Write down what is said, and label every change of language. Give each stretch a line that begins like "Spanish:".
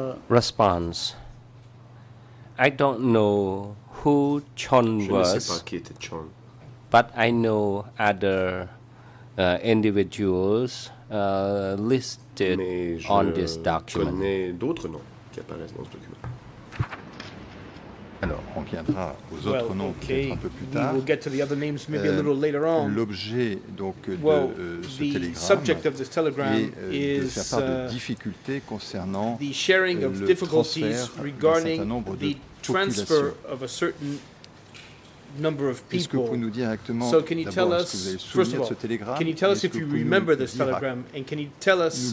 English: Response: I don't know who Chon was, but I know other individuals listed on this document.
French: Mais je connais d'autres noms qui apparaissent dans ce document. Alors, on viendra aux autres noms peut-être un peu plus tard.
English: We will get to the other names maybe a little later on.
French: L'objet donc ce télégramme est de faire part de difficultés concernant
English: the sharing of difficulties regarding the transfer of a certain number of people.
French: Est-ce que vous pouvez nous dire exactement d'abord ce que vous avez souvenir de ce télégramme?
English: Can you tell us if you remember this telegram, and can you tell us